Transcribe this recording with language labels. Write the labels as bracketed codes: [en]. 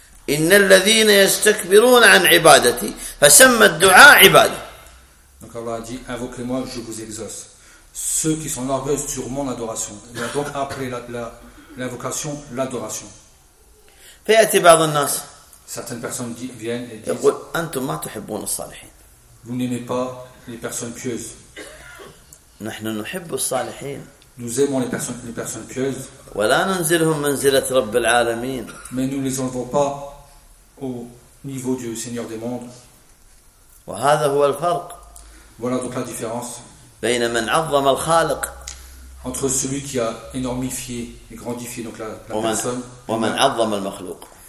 [ar] إن الذين يستكبرون عن عبادتي فسمى الدعاء عبادة. [fr] Donc Allah dit invoquez-moi je vous exauce. Ceux qui sont orgueilleux sur mon adoration. Il a donc appelé l'invocation l'adoration. [ar] فيأتي بعض الناس. [fr] Certaines personnes viennent et disent. [ar] يقول أنتم ما تحبون الصالحين. [fr] Vous n'aimez pas les personnes pieuses. [ar] نحن نحب الصالحين. [fr] Nous aimons les personnes pieuses. [ar] ولا ننزلهم منزلة رب العالمين. [fr] Mais nous ne les enlevons pas au niveau du Seigneur des mondes. [ar] وهذا هو الفرق. [fr] Voilà donc la différence. [ar] بين من عظم الخالق. [fr] Entre celui qui a énormifié et grandifié donc la personne. [ar] ومن عظم المخلوق.